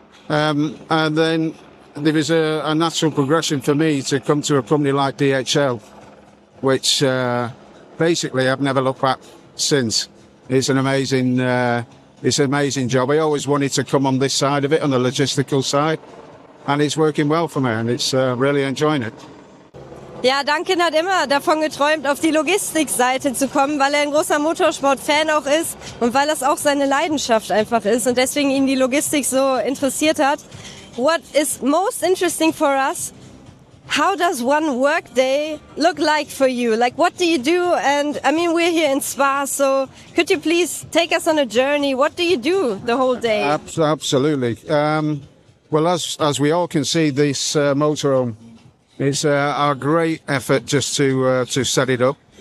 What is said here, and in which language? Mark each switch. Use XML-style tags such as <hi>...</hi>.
<en>And then there was a natural progression for me to come to a company like DHL, which basically I've never looked back since. It's an amazing job. I always wanted to come on this side of it, on the logistical side, and it's working well for me, and it's really enjoying it.</en> <de>Ja, Duncan hat immer davon geträumt, auf die Logistikseite zu kommen, weil er ein großer Motorsport-Fan auch ist und weil das auch seine Leidenschaft einfach ist und deswegen ihn die Logistik so interessiert hat.</de> <en>What is most interesting for us? How does one work day look like for you? Like, what do you do? And I mean, we're here in Spa, so could you please take us on a journey? What do you do the whole day? Absolutely. Well, as we all can see, this motorhome, it's a great effort just to set it up.</en>